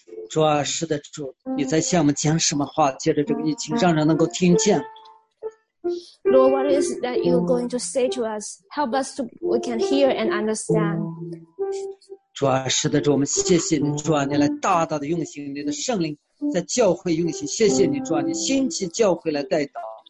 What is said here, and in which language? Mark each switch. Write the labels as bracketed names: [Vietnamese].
[Chinese] 主啊，是的，主，你在向我们讲什么话？借着这个疫情，让人能够听见。 [English] Lord, what is that you're going to say to us? Help us so we can hear and understand. [Chinese] 主啊，是的，主，我们谢谢你，主啊，你来大大的用心，你的圣灵在教会用心。谢谢你，主啊，你兴起教会来带祷。